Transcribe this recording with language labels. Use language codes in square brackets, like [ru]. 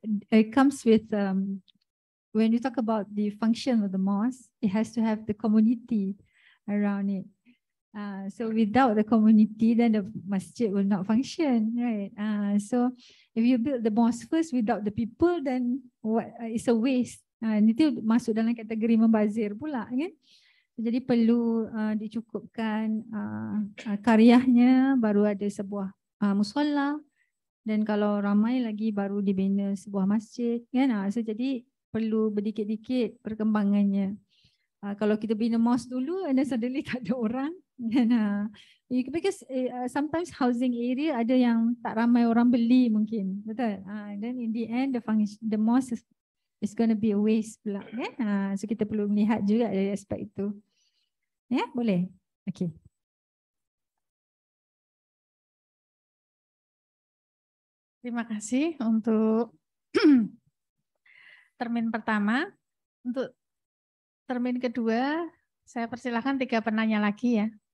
[en] It comes with when you talk about the function of the mosque, it has to have the community around it. So without the community, then the masjid will not function, right? So if you build the mosque first without the people, then what is a waste? [ms] Itu masuk dalam kategori membazir pula, kan? Jadi perlu dicukupkan karyahnya, baru ada sebuah musola. Dan kalau ramai lagi baru dibina sebuah masjid, kan? So, jadi perlu berdikit-dikit perkembangannya. Kalau kita bina mosque dulu, [en] and then suddenly [ms] tak ada orang. [en] Because sometimes housing area [ms] ada yang tak ramai orang beli mungkin, betul? [en] Then in the end, the mosque is going to be a waste pula. Yeah? [ms] So kita perlu melihat juga dari aspek itu. Yeah? Boleh? Okay. [id] Terima kasih untuk termin pertama. Untuk termin kedua, saya persilahkan tiga penanya lagi ya.